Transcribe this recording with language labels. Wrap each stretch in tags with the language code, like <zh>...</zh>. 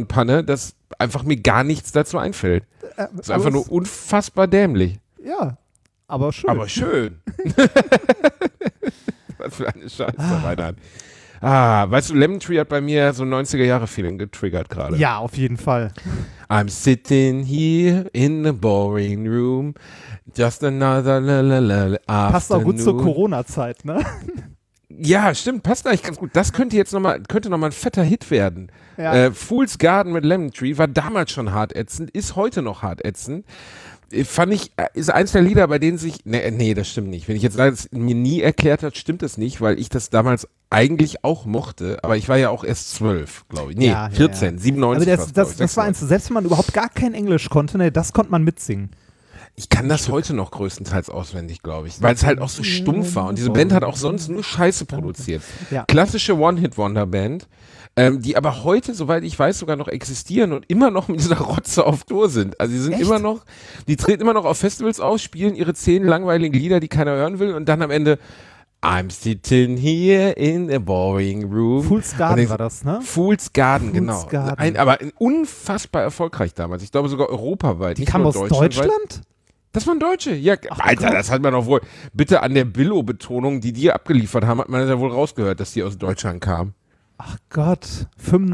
<de>Und Panne, dass einfach mir gar nichts dazu einfällt. Das ist einfach nur unfassbar dämlich. Ja, aber schön. Aber schön. Was für eine Scheiße, Reinhard. Ah, weißt du, Lemon Tree hat bei mir so 90er-Jahre-Feeling getriggert gerade. Ja, auf jeden Fall.</de> <en>I'm sitting here in a boring room, just another afternoon.</en> <de>Passt auch gut zur Corona-Zeit, ne? Ja, stimmt, passt eigentlich ganz gut. Das könnte jetzt nochmal ein fetter Hit werden. Ja. Fool's Garden mit Lemon Tree war damals schon hart ätzend, ist heute noch hart ätzend. Fand ich, ist eins der Lieder, bei denen sich, nee, das stimmt nicht. Wenn ich jetzt sage, es mir nie erklärt hat, stimmt das nicht, weil ich das damals eigentlich auch mochte, aber ich war ja auch erst 12, glaube ich. Nee, ja, 14, ja. 97. Also das war eins, selbst wenn man überhaupt gar kein Englisch konnte, nee, das konnte man mitsingen. Ich kann das heute noch größtenteils auswendig, glaube ich, weil es halt auch so stumpf war und diese Band hat auch sonst nur Scheiße produziert. Ja. Klassische One-Hit-Wonder-Band. Die aber heute, soweit ich weiß, sogar noch existieren und immer noch mit dieser Rotze auf Tour sind. Also sie sind Echt? Immer noch, die treten immer noch auf Festivals aus, spielen ihre 10 langweiligen Lieder, die keiner hören will und dann am Ende,</de> <en>I'm sitting here in a boring room.</en> <de>Fool's Garden war das, ne? Fool's Garden, genau. Garden. Aber unfassbar erfolgreich damals. Ich glaube sogar europaweit. Die kam aus Deutschland? Das waren Deutsche. Ja, ach, Alter, Gott. Das hat man doch wohl. Bitte an der Billo-Betonung, die die abgeliefert haben, hat man das ja wohl rausgehört, dass die aus Deutschland kamen. Ach Gott. 95</de>